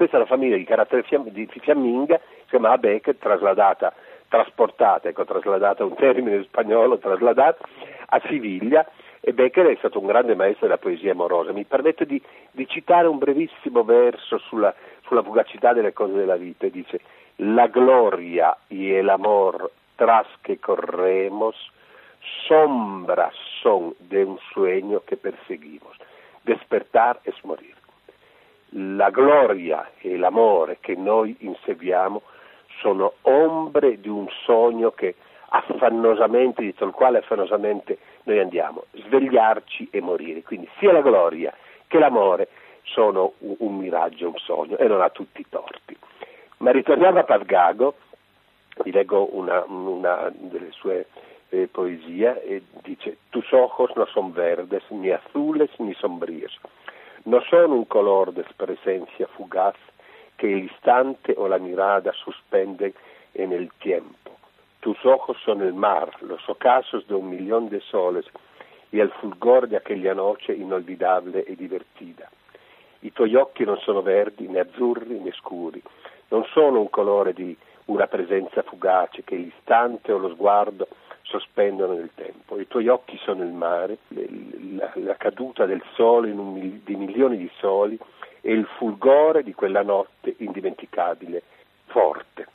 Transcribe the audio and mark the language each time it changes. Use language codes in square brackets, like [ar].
[it] Questa è una famiglia di carattere fiamminga, si chiamava Bécquer, trasladata a Siviglia, e Bécquer è stato un grande maestro della poesia amorosa. Mi permetto di citare un brevissimo verso sulla fugacità delle cose della vita. [es] Dice: la gloria y el amor tras que corremos sombra son de un sueño que perseguimos. Despertar es morir. [it] La gloria e l'amore che noi inseguiamo sono ombre di un sogno che affannosamente, dietro il quale affannosamente noi andiamo, svegliarci e morire. Quindi sia la gloria che l'amore sono un miraggio, un sogno, e non ha tutti i torti. Ma ritorniamo a Paz Gago, vi leggo una delle sue poesia, e dice: [es] tus ojos no son verdes, ni azules, ni sombríos. No son un color de presencia fugaz que el instante o la mirada suspende en el tiempo. Tus ojos son el mar, los ocasos de un millón de soles y el fulgor de aquella noche inolvidable e divertida. [it] I tuoi occhi non sono verdi, né azzurri, né scuri. Non sono un colore di una presenza fugace che l'istante o lo sguardo sospendono nel tempo. I tuoi occhi sono il mare, la caduta del sole in di milioni di soli e il fulgore di quella notte indimenticabile, forte.